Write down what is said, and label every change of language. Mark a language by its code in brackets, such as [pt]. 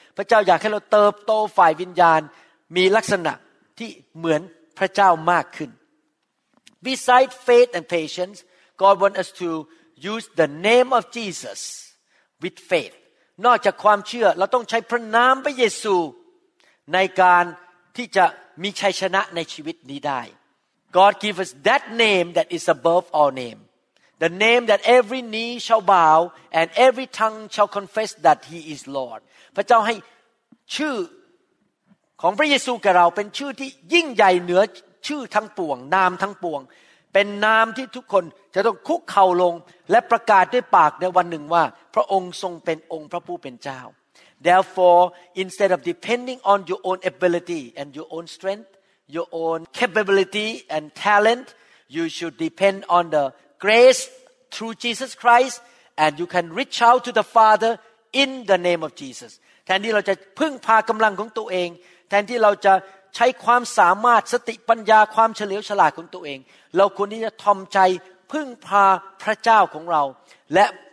[th] พระเจ้าอยากให้เราเติบโตฝ่ายวิญญาณมีลักษณะที่เหมือนพระเจ้ามากขึ้น [en] Besides faith and patience, God wants us to use the name of Jesus with faith. [th] นอกจากความเชื่อเราต้องใช้พระนามพระเยซูในการที่จะมีชัยชนะในชีวิตนี้ได้ [en] God gives us that name that is above all name. The name that every knee shall bow and every tongue shall confess that he is Lord. [th] พระเจ้าให้ชื่อของพระเยซูแก่เราเป็นชื่อที่ยิ่งใหญ่เหนือชื่อทั้งปวงนามทั้งปวงเป็นนามที่ทุกคนจะต้องคุกเข่าลงและประกาศด้วยปากในวันหนึ่งว่าพระองค์ทรงเป็นองค์พระผู้เป็นเจ้า [en] Therefore instead of depending on your own ability and your own strength your own capability and talent you should depend on the grace through Jesus Christ and you can reach out to the Father in the name of Jesus [th] แทนที่เราจะพึ่งพากำลังของตัวเองแทนที่เราจะใช้ความสามารถสติปัญญาความเฉลียวฉลาดของตัวเองเราควรที่จะทอมใจพึ่งพาพระเจ้าของเราและ